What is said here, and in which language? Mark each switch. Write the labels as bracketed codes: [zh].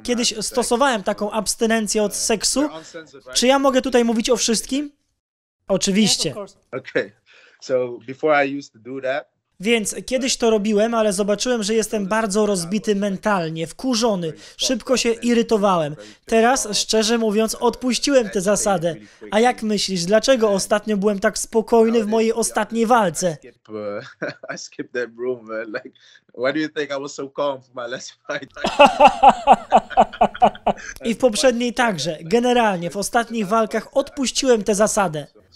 [pl] Kiedyś stosowałem taką abstynencję od seksu. Czy ja mogę tutaj mówić o wszystkim? Oczywiście. [en] Okay. So before I used to do that. [pl] Więc kiedyś to robiłem, ale zobaczyłem, że jestem bardzo rozbity mentalnie, wkurzony, szybko się irytowałem. Teraz, szczerze mówiąc, odpuściłem tę zasadę. A jak myślisz, dlaczego ostatnio byłem tak spokojny w mojej ostatniej walce? [en] I skipped that room, man. Like, why do you think I was so calm for my last fight? [pl] I w poprzedniej także. Generalnie, w ostatnich walkach odpuściłem tę zasadę.